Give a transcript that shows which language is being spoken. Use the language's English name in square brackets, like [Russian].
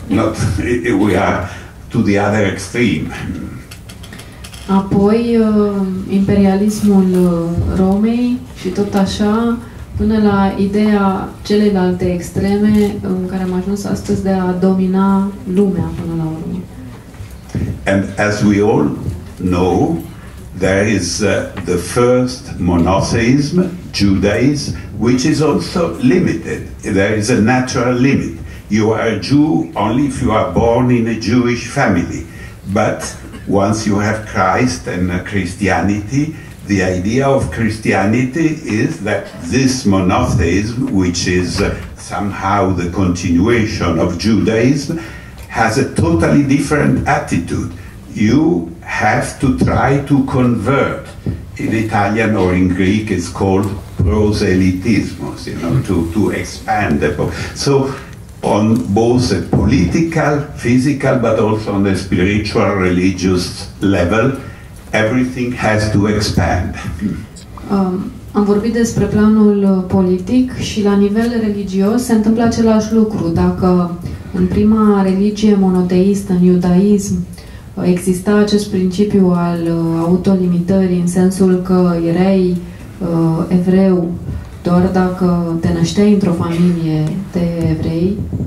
[English] Not we are to the other extreme. [Romanian] Apoi imperialismul Romei și tot așa până la ideea celelalte extreme în care am ajuns astăzi de a domina lumea până la urmă. [English] And as we all know, there is the first monotheism, Judaism, which is also limited. There is a natural limit. You are a Jew only if you are born in a Jewish family. But once you have Christ and Christianity, the idea of Christianity is that this monotheism, which is somehow the continuation of Judaism, has a totally different attitude. You have to try to convert. In Italian or in Greek, it's called proselytismus, you know, to expand the book. So, on both a political, physical, but also on a spiritual, religious level, everything has to expand. [Romanian] Am vorbit despre planul politic și la nivel religios se întâmplă același lucru. Dacă în prima religie monoteistă, în iudaism, exista acest principiu al autolimitării în sensul că erai evreu doar dacă te nășteai într-o familie de evrei,